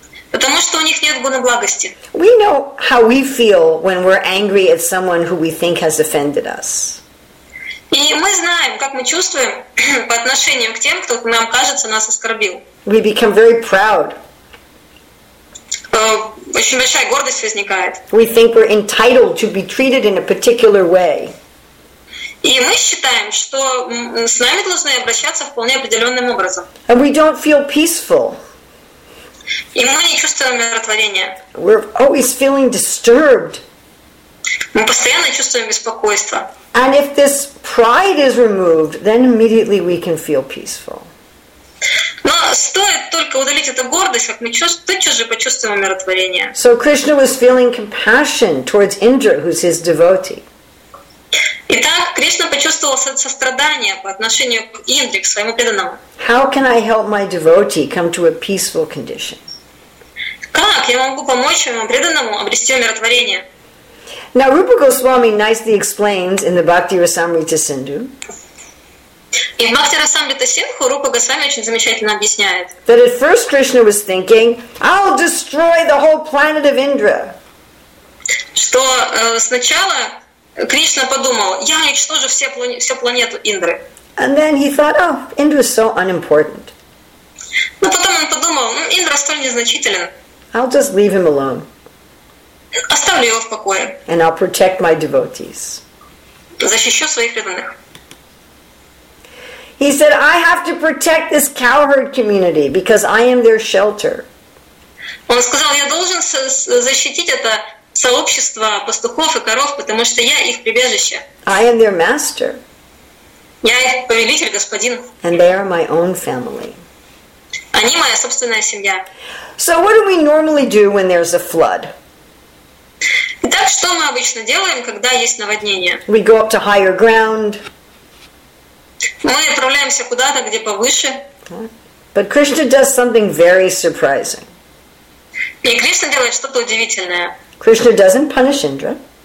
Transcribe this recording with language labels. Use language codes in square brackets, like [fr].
[ru] Потому что у них нет гуна благости. [en] We know how we feel when we're angry at someone who we think has offended us. [ru] И мы знаем, как мы чувствуем по отношению к тем, кто нам кажется нас оскорбил. [en] We become very proud. [ru] Очень большая гордость возникает. [en] We think we're entitled to be treated in a particular way. [ru] И мы считаем, что с нами должны обращаться вполне определенным образом. [en] And we don't feel peaceful. [ru] И мы не чувствуем умиротворения. [en] We're always feeling disturbed. [ru] Мы постоянно чувствуем беспокойство. [en] And if this pride is removed, then immediately we can feel peaceful. [ru] Но стоит только удалить эту гордость, как мы тотчас же почувствуем умиротворение. [en] So Krishna was feeling compassion towards Indra, who's his devotee. [ru] Итак, Кришна почувствовал сострадание по отношению к Индре, к своему преданному. [en] How can I help my devotee come to a peaceful condition? [ru] Как я могу помочь своему преданному обрести умиротворение? [en] Now Rupa Goswami nicely explains in the Bhakti Rasamrita Sindhu. [ru] И в Бхакти Расамрита Синдху Рупа Госвами очень замечательно объясняет. [en] That at first Krishna was thinking, I'll destroy the whole planet of Indra. [ru] Что сначала Кришна подумал, я уничтожу всю планету Индры. [en] And then he thought, oh, Indra is so unimportant. [ru] Но потом он подумал, Индра столь незначителен. [en] I'll just leave him alone. [ru] Оставлю его в покое. [en] And I'll protect my devotees. [ru] Защищу своих преданных. [en] He said, I have to protect this cowherd community because I am their shelter. [ru] Он сказал, я должен защитить это сообщество пастухов и коров, потому что я их прибежище. [en] I am their master. [ru] Я их повелитель, господин. [en] And they are my own family. [ru] Они моя собственная семья. [en] So what do we normally do when there's a flood? [ru] Итак, что мы обычно делаем, когда есть наводнение? [en] We go up to higher ground. [ru] Мы отправляемся куда-то, где повыше. [en] But Krishna does something very surprising. [ru] И Кришна делает что-то удивительное. [en] Krishna doesn't punish Indra.